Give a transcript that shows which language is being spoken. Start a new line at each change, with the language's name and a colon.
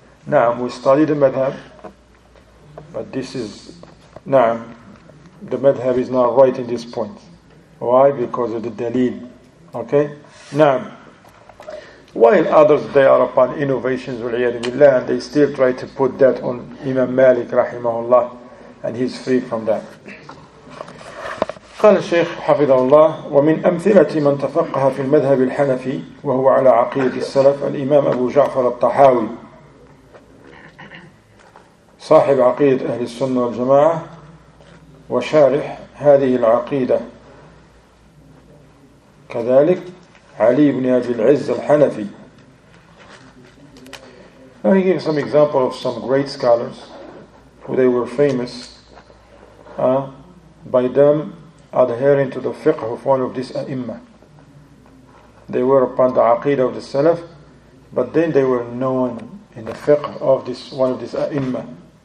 English: Now, we study the madhab, but this is, now, the madhab is not right in this point. Why? Because of the Dalil. Okay? Now, while others, they are upon innovations, and they still try to put that on Imam Malik, rahimahullah, and he's free from that.
Arabic: قال الشيخ حفظه الله ومن أمثلة من تفقه في المذهب الحنفي وهو على عقيدة السلف الإمام أبو جعفر الطحاوي صاحب عقيدة أهل السنة والجماعة وشارح هذه العقيدة كذلك علي بن أبي العز الحنفي.
English: Let me give you some example of some great scholars who they were famous by them adhering to the fiqh of one of these a'immah. They were upon the aqidah of the salaf, but then they were known in the fiqh of this one of these a'immah.